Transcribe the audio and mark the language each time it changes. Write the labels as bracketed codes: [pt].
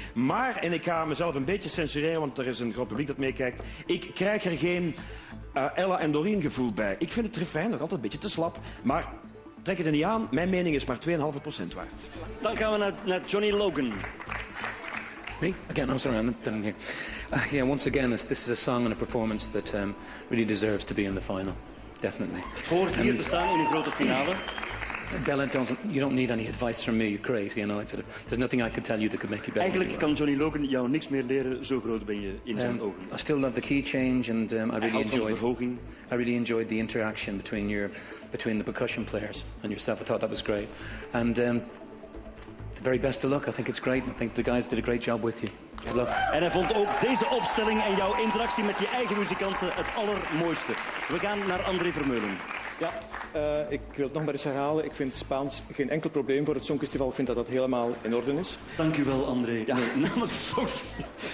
[nl] Maar, en ik ga mezelf een beetje censureren, want er is een groot publiek dat meekijkt. Ik krijg er geen Ella en Doreen gevoel bij. Ik vind het refrein nog altijd een beetje te slap. Maar trek het er niet aan. Mijn mening is maar 2,5% waard. Dan gaan we naar Johnny Logan. [en] Me? Again, I'm sorry, I'm not done here. Yeah, once again, this is a song and a performance that really deserves to be in the final. Definitely. [nl] Het hoort hier te staan in een grote finale. [en] Bella, you don't need any advice from me. You're great, you know. Like, sort of, there's nothing I could tell you that could make you better. [nl] Eigenlijk anyway. Kan Johnny Logan jou niks meer leren, zo groot ben je in zijn ogen. [en] I still love the key change and I really enjoyed. [nl] Hij houdt van de [en] verhoging. I really enjoyed the interaction between the percussion players and yourself. I thought that was great. And the very best of luck. I think it's great. I think the guys did a great job with you. [nl] En hij vond ook deze opstelling en jouw interactie met je eigen muzikanten het allermooiste. We gaan naar André Vermeulen. Ja, ik wil het nog maar eens herhalen. Ik vind Spaans geen enkel probleem voor het Songfestival. Ik vind dat helemaal in orde is. Dank u wel, André. Ja. Nee, namens het